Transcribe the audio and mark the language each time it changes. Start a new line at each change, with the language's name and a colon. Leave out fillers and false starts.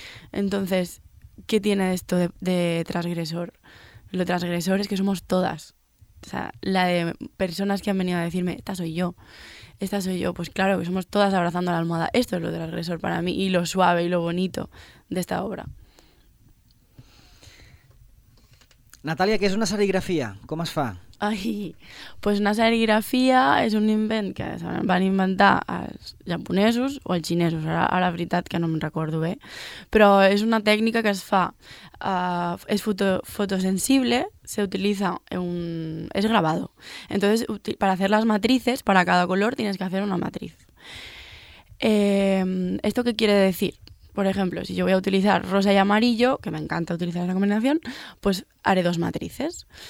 Spanish: Entonces, ¿qué tiene esto de transgresor? Lo transgresor es que somos todas. O sea, la de personas que han venido a decirme, esta soy yo, pues claro que somos todas abrazando la almohada. Esto es lo transgresor para mí, y lo suave y lo bonito de esta obra.
Catalan: Natàlia, què és una serigrafia? Com es fa? Ai, pues una serigrafia és un invent que van inventar els japonesos o els xinesos, ara la veritat que no me'n recordo bé, però és una tècnica que es fa, és fotosensible, s'utilitza és gravado.
Spanish: Entonces, para hacer las matrices, para cada color tienes que hacer una matriz. ¿Esto qué quiere decir? Por ejemplo, si yo voy a utilizar rosa y amarillo, que me encanta utilizar esa combinación, pues haré dos matrices.